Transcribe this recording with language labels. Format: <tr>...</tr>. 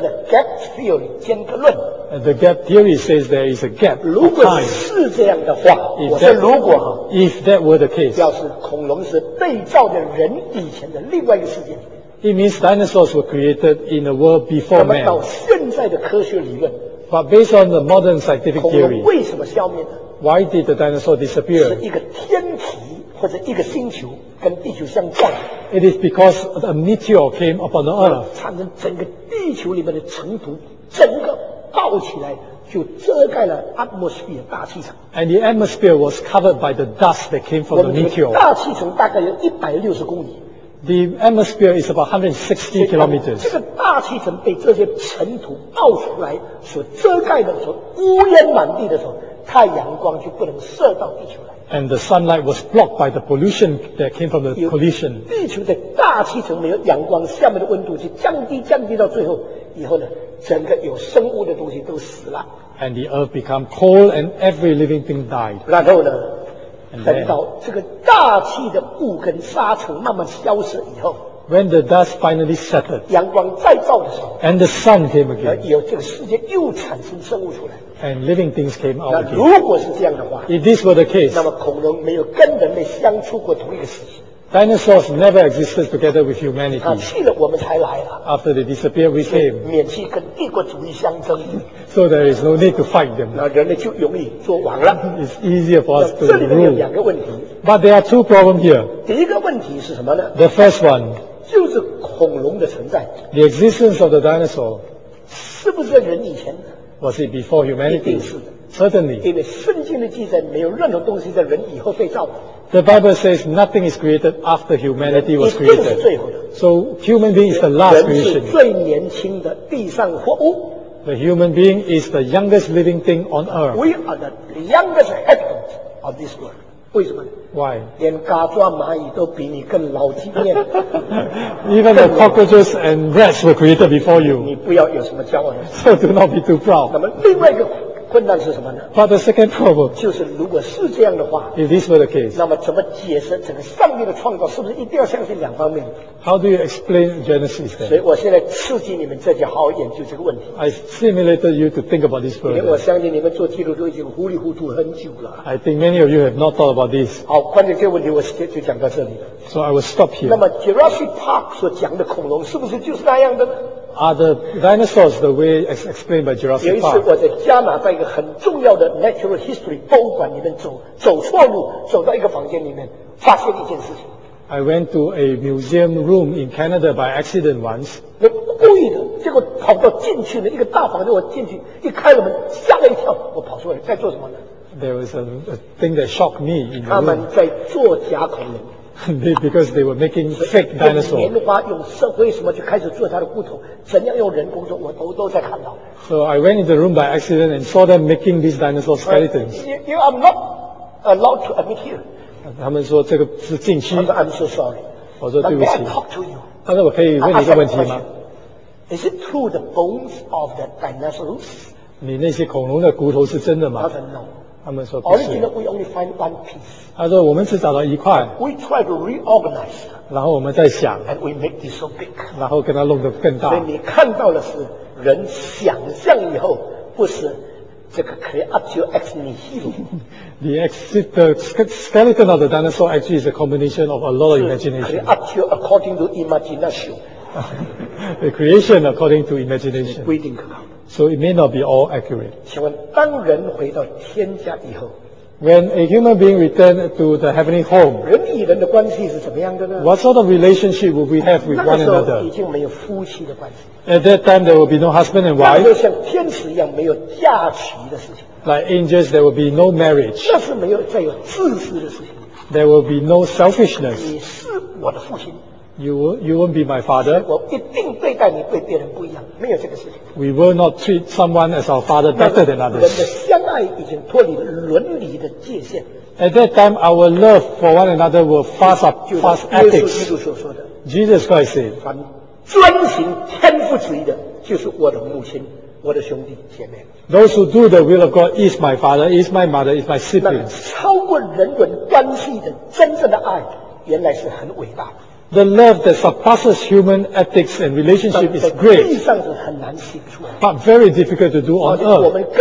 <en>The gap theory says there is a gap of time.</en> <zh>是这样的话, if, 我说如果,</zh> <en>if that were the case,</en> <zh>表示恐龙是被造的人以前的另外一个世界,</zh> <en>it means dinosaurs were created in a world before man.</en> <zh>那么到现在的科学理论,</zh> <en>but based on the modern scientific theory,</en> <zh>恐龙为什么消灭呢?</zh> <en>Why did the dinosaur disappear?</en> <zh>是一个天体或者一个星球跟地球相撞。</zh> <en>It is because a meteor came upon the earth.</en> <zh>产生整个地球里面的尘土整个爆起来，就遮盖了 atmosphere 大气层。</zh> <en>And the atmosphere was covered by the dust that came from the meteor.</en> <zh>大气层大概有160公里。</zh> <en>The atmosphere is about 160 kilometers.</en> <zh>这个大气层被这些尘土爆出来所遮盖的时候，乌烟满地的时候，太阳光就不能射到地球来。</zh> <en>And the sunlight was blocked by the pollution that came from the collision.</en> <zh>地球的大气层没有阳光，下面的温度就降低，降低到最后以后呢，整个有生物的东西都死了。</zh> <en>And the earth became cold, and every living thing died.</en> <zh>然后呢？等到这个大气的雾跟沙尘慢慢消失以后，</zh> <en>when the dust finally settled,</en> <zh>阳光再照的时候，</zh> <en>and the sun came again,</en> <zh>有这个世界又产生生物出来，</zh> <en>and living things came out again.</en> <zh>如果是这样的话，</zh> <en>if this were the case,</en> <zh>那么恐龙没有跟人类相处过同一个时期。</zh> <en>Dinosaurs never existed together with humanity.</en> <zh>去了我们才来了。</zh> <en>After they disappeared, we came.</en> <zh>免去跟帝国主义相争。</zh> <en>So there is no need to fight them.</en> <zh>那人类就容易做王了。</zh> <en>It's easier for us to rule.</en> <zh>这里面有两个问题。</zh> <en>But there are two problems here.</en> <zh>第一个问题是什么呢？</zh> <en>The first one.</en> <zh>就是恐龙的存在。</zh> <en>The existence of the dinosaur.</en> <zh>是不是人以前的？</zh> <en>Was it before humanity?</en> <zh>一定是。</zh> <en>Certainly.</en> <zh>因为圣经的记载没有任何东西在人以后被造的。</zh> <en>The Bible says nothing is created after humanity was created. So human being is the last creation.</en> <zh>人是最年轻的地上活物。</zh> <en>The human being is the youngest living thing on earth. We are the youngest inhabitant of this world.</en> <zh>为什么？</zh> <en>Why?</en> <zh>连嘎抓蚂蚁都比你更老经验。</zh> <en>Even the cockroaches and rats were created before you.</en> <zh>你不要有什么骄傲。</zh> <en>So do not be too proud.</en> <zh>那么另外一个困难是什么呢？</zh> <en>But the second problem,</en> <zh>就是如果是这样的话，</zh> <en>if this were the case,</en> <zh>那么怎么解释整个上帝的创造？是不是一定要相信两方面？</zh> <en>How do you explain Genesis then?</en> <zh>所以我现在刺激你们自己好好研究这个问题。</zh> <en>I stimulated you to think about this further.</en> <zh>因为我相信你们做基督徒已经糊里糊涂很久了。</zh> <en>I think many of you have not thought about this.</en> <zh>好，关于这个问题我就讲到这里。</zh> <en>So I will stop here.</en> <zh>那么 Jurassic Park 所讲的恐龙是不是就是那样的呢？</zh> <en>Are the dinosaurs the way explained by Jurassic Park?</en> <zh>有一次我在加拿大一个很重要的 natural history 博物馆里面走错路，走到一个房间里面，发现一件事情。</zh> <en>I went to a museum room in Canada by accident once.</en> <zh>我故意的，结果跑到进去了一个大房间，我进去一开了门，吓了一跳，我跑出来在做什么呢？</zh> <en>There was a thing that shocked me in the room.</en> <zh>他们在做假恐龙。</zh> <en>Because they were making fake dinosaurs.</en> <zh>棉花用社会什么就开始做它的骨头，怎样用人工做，我都在看到。</zh> <en>So I went into the room by accident and saw them making these dinosaur skeletons. You are not allowed to admit here.</en> <zh>他们说这个是禁区。</zh> <en>I'm so sorry.</en> <zh>我说对不起。</zh> <en>May I talk to you?</en> <zh>他说我可以问你一个问题吗</zh> <en>？Is it true the bones of the dinosaurs?</en> <zh>你那些恐龙的骨头是真的吗？他说 no. 他们说不是。</zh> <en>We only find one piece.</en> <zh>他说我们只找到一块。</zh> <en>We try to reorganize.</en> <zh>然后我们再想。</zh> <en>And we make this so big.</en> <zh>然后给它弄得更大。所以你看到的是人想象以后，不是这个</zh> <en>creature ex nihilo. The skeleton of the dinosaur actually is a combination of a lot of imagination. Creature according to imagination. The creation according to imagination. We think about. So it may not be all accurate.</en> <zh>请问，当人回到天家以后</zh> <en>，When a human being returned to the heavenly home，</en> <zh>人与人的关系是怎么样的呢</zh> <en>？What sort of relationship would we have with one another？</en> <zh>那个时候已经没有夫妻的关系。</zh> <en>At that time, there will be no husband and wife.</en> <zh>那就像天使一样，没有嫁娶的事情。</zh> <en>Like angels, there will be no marriage.</en> <zh>那是没有再有自私的事情。</zh> <en>There will be no selfishness.</en> <zh>你是我的父亲。</zh> <en>You won't be my father.</en> <zh>我一定对待你对别人不一样，没有这个事情。</zh> <en>We will not treat someone as our father better than others.</en> <zh>人的相爱已经脱离了伦理的界限。</zh> <en>At that time, our love for one another will pass up past ethics.</en> <zh>耶稣基督所说的。</zh> <en>Jesus Christ said,</en> <zh>凡遵行天父旨意的，就是我的母亲，我的兄弟姐妹。</zh> <en>Those who do the will of God is my father, is my mother, is my siblings.</en> <zh>超过人伦关系的真正的爱，原来是很伟大的。</zh> <en>The love that surpasses human ethics and relationship is great, but very difficult to do on earth.</en>